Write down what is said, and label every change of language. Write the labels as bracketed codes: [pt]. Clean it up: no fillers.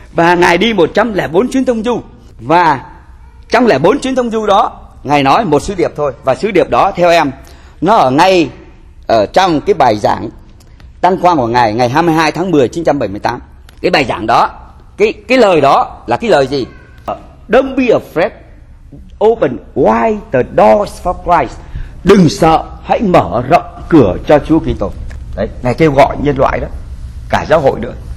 [vi] Và Ngài đi 104 chuyến thông du. Và 104 chuyến thông du đó, Ngài nói một sứ điệp thôi. Và sứ điệp đó theo em, nó ở ngay ở trong cái bài giảng đăng quang của Ngài ngày 22 tháng 10 1978. Cái bài giảng đó, cái lời đó là cái lời gì? [en] Don't be afraid, open wide the doors for Christ. [vi] Đừng sợ, hãy mở rộng cửa cho Chúa Kitô. Đấy, Ngài kêu gọi nhân loại đó, cả giáo hội nữa.